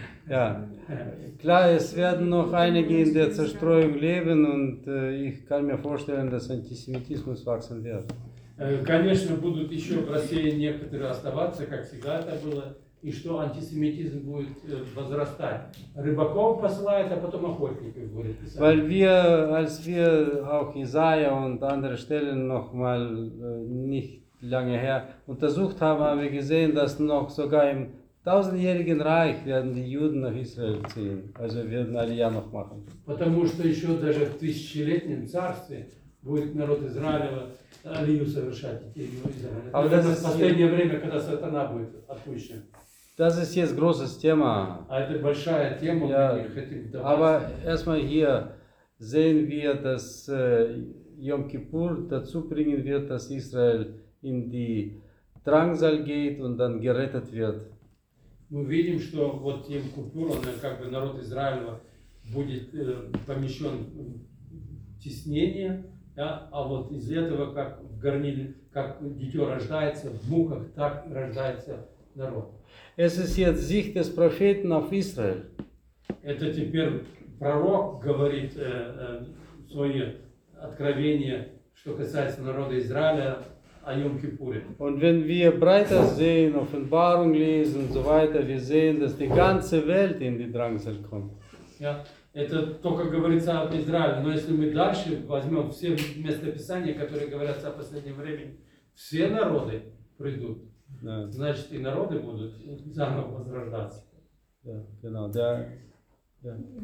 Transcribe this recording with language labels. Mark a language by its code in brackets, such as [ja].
[de] Ja, klar, es werden noch einige in der Zerstreuung leben und ich kann mir vorstellen, dass Antisemitismus wachsen wird. [ru] Конечно, будут еще в России некоторые оставаться, как всегда это было, и что антисемитизм будет возрастать. Рыбаков посылает, а потом охотников говорит. [de] Weil wir, als wir auch Jesaja und andere Stellen noch mal nicht lange her untersucht haben, haben wir gesehen, dass noch sogar im 1000-jährigen Reich werden die Juden nach Israel ziehen, also werden Alija noch machen. [ru] Потому что еще даже в тысячелетнем царстве будет народ Израиля Алию совершать. [de] Aber das ist [ru] последнее время, когда сатана будет отпущен. [de] Das ist jetzt große Thema. [ru] Это большая тема. [de] Ja, aber erstmal hier sehen wir, dass Yom Kippur dazu bringen wird, dass Israel in die Drangsal geht und dann gerettet wird. [ru] Мы видим, что вот Йом Кипур, как бы народ Израиля будет помещен в теснение, да? А вот из этого, как в горниле, как дитё рождается в муках, так рождается народ. [de] Es ist jetzt Sicht des Propheten auf Israel. [ru] Это теперь пророк говорит свои откровения, что касается народа Израиля. [de] Und wenn wir breiter sehen, Offenbarung lesen und so weiter, wir sehen, dass die ganze Welt in die Drangsal kommt. [ru] Ja, это только говорится об Израиле. Но если мы дальше возьмем все местописания, которые говорятся о последнем времени, все народы придут. [de] Ja. [ru] Значит, и народы будут заново возрождаться. [de] Ja, genau. Да. Ja.